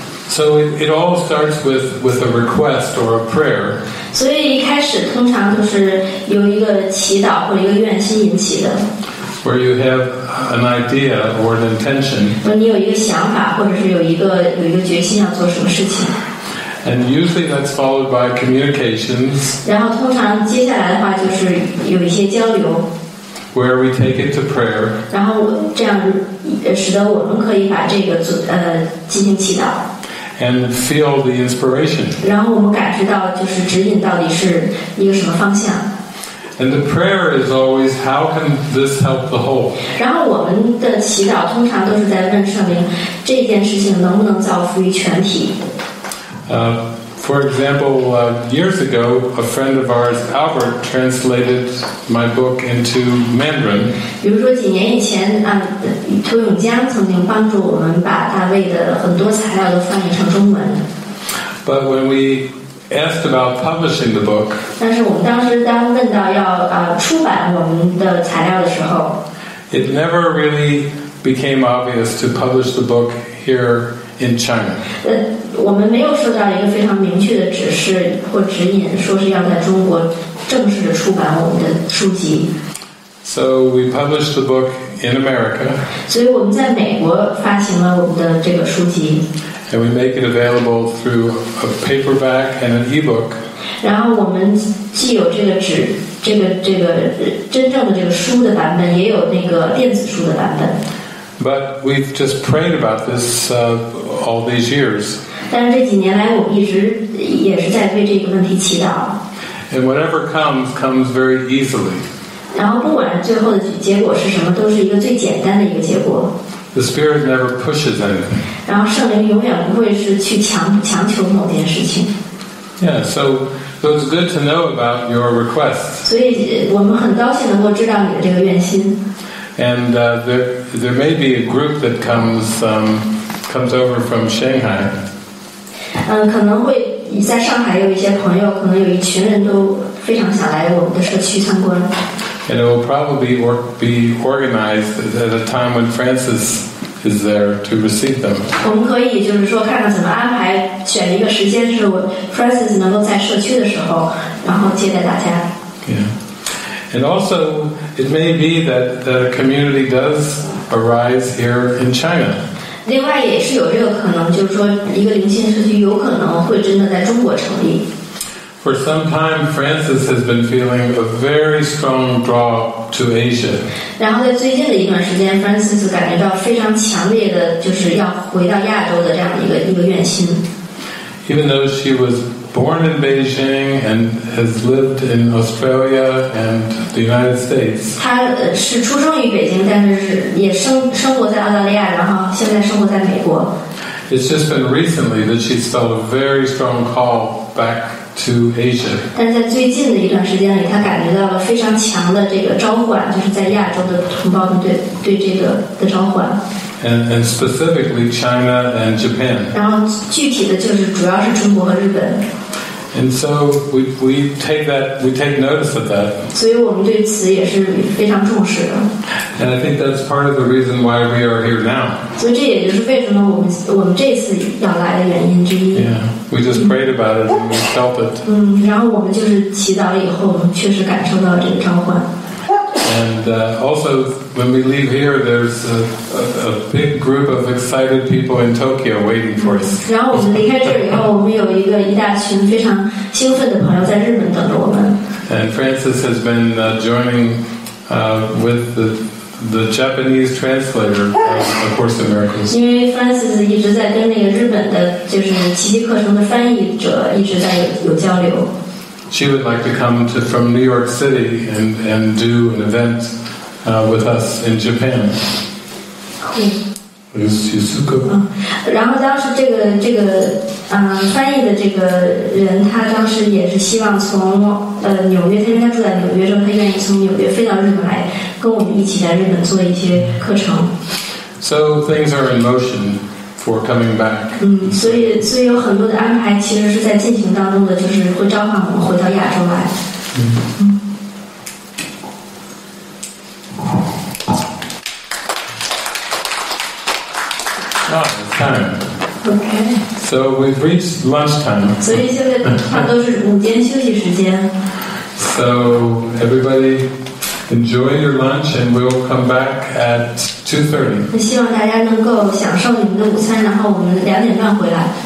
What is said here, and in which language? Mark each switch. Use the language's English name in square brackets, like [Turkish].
[English] So it all starts with a request or a prayer. [Chinese] 所以一开始通常都是由一个祈祷或者一个愿心引起的。 [English] Where you have an idea or an intention. [Chinese] 你有一个想法，或者是有一个决心要做什么事情。 [English] And usually that's followed by communications. [Chinese] 然后通常接下来的话就是有一些交流。 [English] Where we take it to prayer. [Chinese] 然后这样使得我们可以把这个进行祈祷。 [English] And feel the inspiration. [Chinese] 然后我们感知到就是指引到底是一个什么方向。 [English] And the prayer is always, how can this help the whole? [Chinese] 然后我们的祈祷通常都是在问圣灵，这件事情能不能造福于全体。 [English] For example, years ago, a friend of ours, Albert, translated my book into Mandarin. [Chinese] 比如说几年以前，涂永江曾经帮助我们把大卫的很多材料都翻译成中文。 [English] But when we asked about publishing the book. [Chinese] 但是我们当时当问到要出版我们的材料的时候， [English] it never really became obvious to publish the book here in China. [Chinese] 我们没有收到一个非常明确的指示或指引，说是要在中国正式的出版我们的书籍。 [English] So we published the book in America. [Chinese] 所以我们在美国发行了我们的这个书籍。 [English] And we make it available through a paperback and an ebook. [Chinese] 然后我们既有这个纸，这个真正的这个书的版本，也有那个电子书的版本。 [English] But we've just prayed about this all these years. [Chinese] 但是这几年来，我们一直也是在为这个问题祈祷。 [English] And whatever comes very easily. [Chinese] 然后不管最后的结果是什么，都是一个最简单的一个结果。 [English] The Spirit never pushes anything. [Chinese] 然后圣灵永远不会是去强求某件事情。 [English] Yeah, so it's good to know about your requests. [Chinese] 所以我们很高兴能够知道你的这个愿心。 [English] And there may be a group that comes over from Shanghai. [Chinese] 可能会在上海有一些朋友，可能有一群人都非常想来我们的社区参观。 [English] And it will probably be organized at a time when Francis is there to receive them. [Chinese] 我们可以就是说看看怎么安排，选一个时间是 Francis 能够在社区的时候，然后接待大家。 [English] Yeah. And also, it may be that the community does arise here in China. [Chinese] 另外也是有这个可能，就是说一个灵性社区有可能会真的在中国成立。 [English] For some time, Francis has been feeling a very strong draw to Asia. [Chinese] 然后在最近的一段时间 ，Francis 感觉到非常强烈的，就是要回到亚洲的这样一个愿心。 [English] Even though she was born in Beijing and has lived in Australia and the United States, [Chinese] 她是出生于北京，但是也生活在澳大利亚，然后现在生活在美国。 [English] It's just been recently that she's felt a very strong call back to Asia. [Chinese] 但在最近的一段时间里，她感觉到了非常强的这个召唤，就是在亚洲的同胞们对这个的召唤。 [English] And specifically China and Japan. [Chinese] 然后具体的就是主要是中国和日本。 [English] And so we take notice of that. [Chinese] 所以我们对此也是非常重视的。 [English] And I think that's part of the reason why we are here now. [Chinese] 所以这也就是为什么我们这次要来的原因之一。 [English] Yeah, we just prayed about it and we felt it. [Chinese] 然后我们就是祈祷了以后，我们确实感受到这个召唤。 [English] And also, when we leave here, there's a big group of excited people in Tokyo waiting for us. [Chinese] 然后我们离开这里以后，我们有一大群非常兴奋的朋友在日本等着我们。 [English] And Francis has been joining with the Japanese translator of A Course in Miracles. [Chinese] 因为 Francis 一直在跟那个日本的，就是奇迹课程的翻译者一直在有交流。 [English] She would like to come from New York City and do an event with us in Japan. Cool. Is Yusuko? [Chinese] 然后当时这个翻译的这个人，他当时也是希望从纽约，因为他住在纽约之后，他愿意从纽约飞到日本来，跟我们一起在日本做一些课程。 [English] So things are in motion for coming back. [Chinese] 所以有很多的安排其实是在进行当中的，就是会召唤我们回到亚洲来。 [English] It's time. Okay. So we've reached lunchtime. [Chinese] 所以现在差不多是午间休息时间。 [English] So everybody enjoy your lunch and we'll come back at 2:30. [Chinese] 希望大家能够享受你们的午餐，然后我们两点半回来。